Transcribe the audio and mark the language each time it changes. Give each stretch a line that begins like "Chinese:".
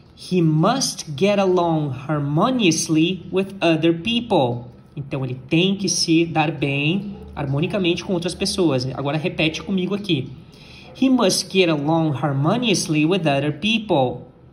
English: He must get along harmoniously with other people.
Portuguese: Então, ele tem que se dar bem harmonicamente com outras pessoas. Agora repete comigo aqui.
English: He must get along harmoniously with other people.